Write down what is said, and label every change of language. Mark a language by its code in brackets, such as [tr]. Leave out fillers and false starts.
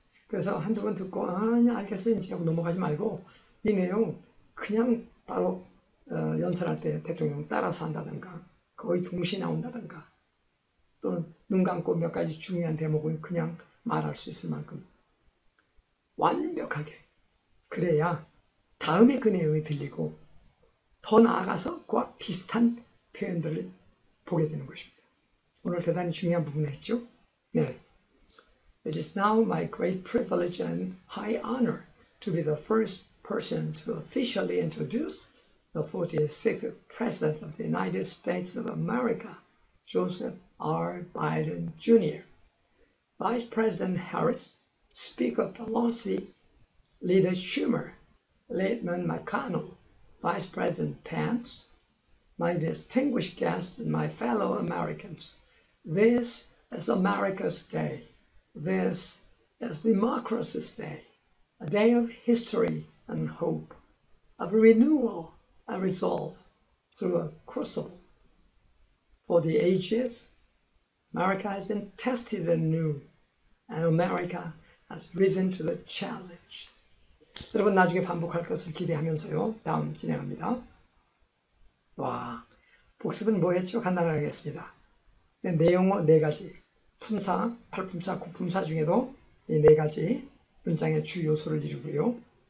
[ko] 그래서 한두 번 듣고 아니 알겠어 이제 하고 넘어가지 말고 이 내용 그냥 바로 연설할 때 대통령 따라서 한다든가 거의 동시에 나온다든가 또는 눈 감고 몇 가지 중요한 대목을 그냥 말할 수 있을 만큼 완벽하게 그래야 다음에 그 내용이 들리고 더 나아가서 그와 비슷한 표현들을 보게 되는 것입니다. 오늘 대단히 중요한 부분을 했죠? 네. [en] It is now my great privilege and high honor to be the first person to officially introduce the 46th President of the United States of America, Joseph R. Biden Jr. Vice President Harris, Speaker Pelosi, Leader Schumer, Leadman McConnell, Vice President Pence, my distinguished guests and my fellow Americans, this is America's day. This is democracy's day, a day of history and hope, of renewal and resolve through a crucible. For the ages, America has been tested anew, and America has risen to the challenge. [ko] 여러분 나중에 반복할 것을 기대하면서요. 다음 진행합니다. 와, 복습은 뭐 했죠? 간단하게 하겠습니다. 네, 내용어 네 가지, 품사, 팔품사, 구품사 중에도 이 네 가지 문장의 주 요소를 이루고요.